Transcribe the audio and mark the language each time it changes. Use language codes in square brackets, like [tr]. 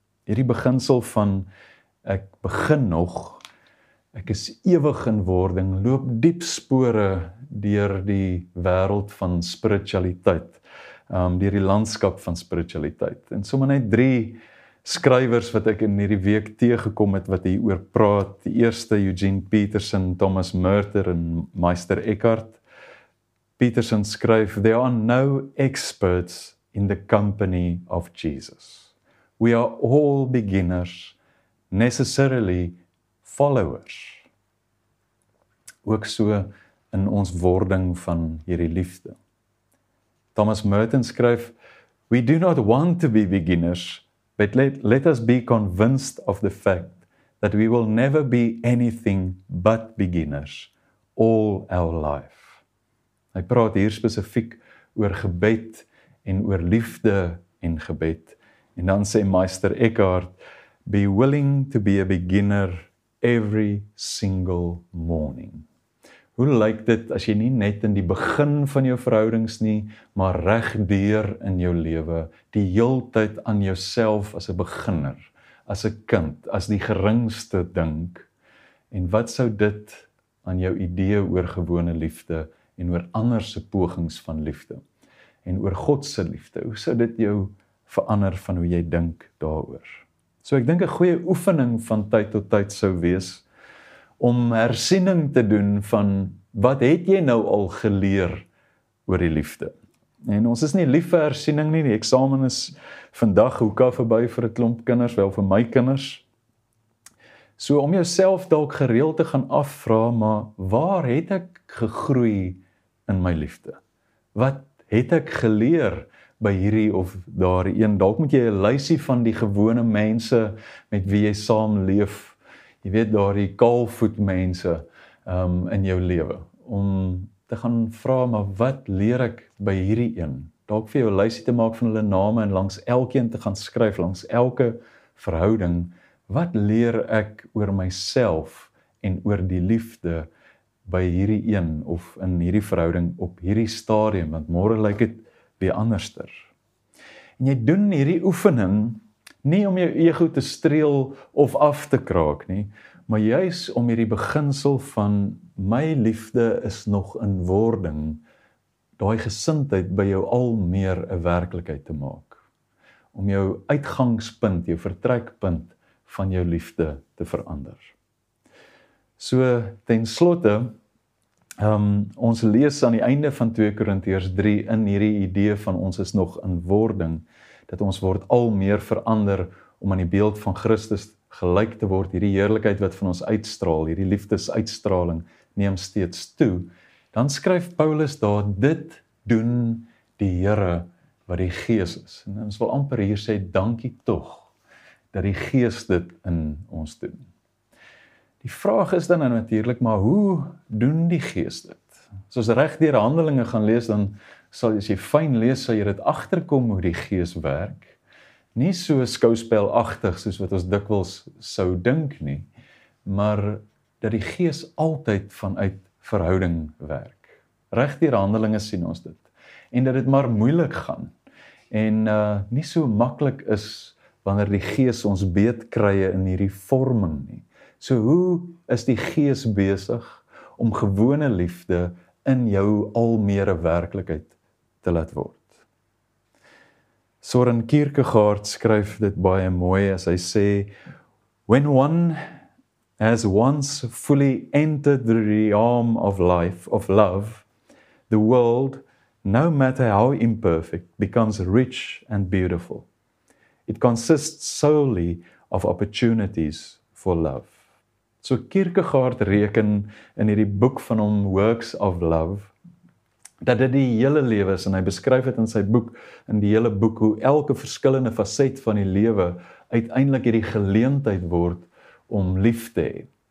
[af] Hierdie beginsel van ek begin nog, ek is ewig in wording, loop diep spore deur die wêreld van spiritualiteit, deur die landskap van spiritualiteit. En sommer net 3 skrywers wat ek in hierdie week teëgekom het wat hier oor praat. Die eerste, Eugene Peterson, Thomas Merton en Meister Eckhart. Peterson skryf, [en] "There are no experts in the company of Jesus. We are all beginners, necessarily followers." [af] Ook so in ons wording van hierdie liefde. Thomas Merton skryf, [en] "We do not want to be beginners, but let us be convinced of the fact that we will never be anything but beginners all our life." [af] Hy praat hier spesifiek oor gebed en oor liefde en gebed. En dan sê Meister Eckhart, [en] "Be willing to be a beginner every single morning." [af] Hoe lyk dit as jy nie net in die begin van jou verhoudings nie, maar reg deur in jou lewe, die heeltyd aan jouself as 'n beginner, as 'n kind, as die geringste dink? En wat sou dit aan jou idee oor gewone liefde en oor ander se pogings van liefde en oor God se liefde? Hoe sou dit jou verander van hoe jy dink daaroor? So ek dink 'n goeie oefening van tyd tot tyd sou wees om hersiening te doen van wat het jy nou al geleer oor die liefde. En ons is nie lief vir hersiening nie, die eksamen is vandag hoeka verby vir 'n klomp kinders, wel vir my kinders. So om jouself dalk gereeld te gaan afvra, maar waar het ek gegroei in my liefde? Wat het ek geleer by hierdie of daar een? Dalk moet jy 'n lysie van die gewone mense met wie jy saam leef, jy weet daar die kaalvoet mense in jou lewe, om te gaan vra, maar wat leer ek by hierdie een? Dalk vir jou lysie te maak van hulle name en langs elkeen te gaan skryf, langs elke verhouding, wat leer ek oor myself en oor die liefde by hierdie een of in hierdie verhouding op hierdie stadium, want môre lyk dit weer anderster. En jy doen hierdie oefening nie om jou ego te streel of af te kraak nie, maar juis om hierdie beginsel van my liefde is nog in wording, daai gesindheid by jou al meer 'n werklikheid te maak. Om jou uitgangspunt, jou vertrekpunt van jou liefde te verander. So, ten slotte, ons lees aan die einde van 2 Korintiërs 3 in hierdie idee van ons is nog in wording, dat ons word al meer verander om aan die beeld van Christus gelyk te word, hierdie heerlikheid wat van ons uitstraal, hierdie liefdesuitstraling neem steeds toe, dan skryf Paulus daar, dit doen die Here wat die Gees is. En ons wil amper hier sê, dankie tog, dat die Gees dit in ons doen. Die vraag is dan natuurlik, maar hoe doen die Gees dit? As ons reg deur Handelinge gaan lees, dan sal jy, as jy fyn lees, sal jy dit agterkom hoe die Gees werk. Nie so skouspelagtig soos wat ons dikwels sou dink nie, maar dat die Gees altyd vanuit verhouding werk. Reg deur Handelinge sien ons dit. En dat dit maar moeilik gaan. En nie so maklik is wanneer die Gees ons beet krye in hierdie vorming nie. So hoe is die Gees besig om gewone liefde in jou al meer 'n werklikheid te laat word? Soren Kierkegaard skryf dit baie mooi as hy sê, [en] "When one has once fully entered the realm of life, of love, the world, no matter how imperfect, becomes rich and beautiful. It consists solely of opportunities for love." [af] So Kierkegaard reken in hierdie boek van hom, Works of Love, dat dit die hele lewe is, en hy beskryf dit in sy boek, in die hele boek, hoe elke verskillende facet van die lewe uiteindelik hierdie geleentheid word om lief te hê.